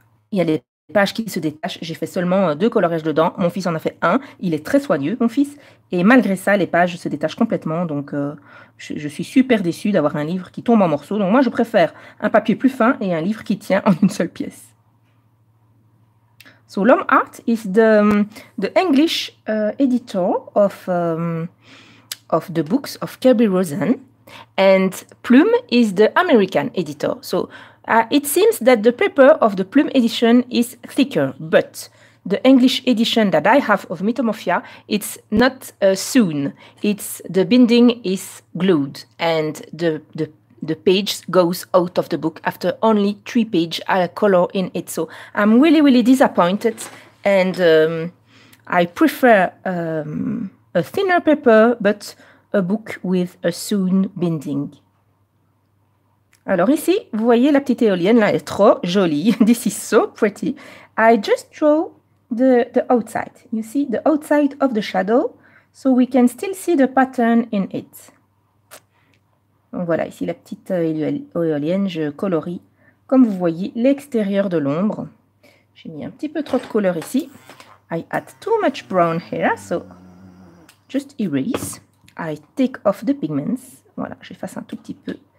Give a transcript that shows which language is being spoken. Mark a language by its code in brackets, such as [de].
[fr] Il y a les pages qui se détachent, j'ai fait seulement deux coloriages dedans, mon fils en a fait un, il est très soigneux mon fils, et malgré ça les pages se détachent complètement, donc je suis super déçue d'avoir un livre qui tombe en morceaux, donc moi je préfère un papier plus fin et un livre qui tient en une seule pièce. [en] So L'Homme Art is the English editor of the books of Kirby Rosen, and Plume is the American editor, so it seems that the paper of the Plume edition is thicker, but the English edition that I have of Mythomorphia, it's not sewn. It's the binding is glued and the page goes out of the book after only three pages are color in it. So I'm really, really disappointed and I prefer a thinner paper, but a book with a sewn binding. [fr] Alors ici, vous voyez la petite éolienne, là, elle est trop jolie. [en] This is so pretty. I just draw the outside. You see, the outside of the shadow. So we can still see the pattern in it. [fr] Donc voilà, ici la petite éolienne, je colorie. Comme vous voyez, l'extérieur de l'ombre. J'ai mis un petit peu trop de couleur ici. [en] I add too much brown here, so just erase. I take off the pigments. [fr] Voilà, j'efface un tout petit peu.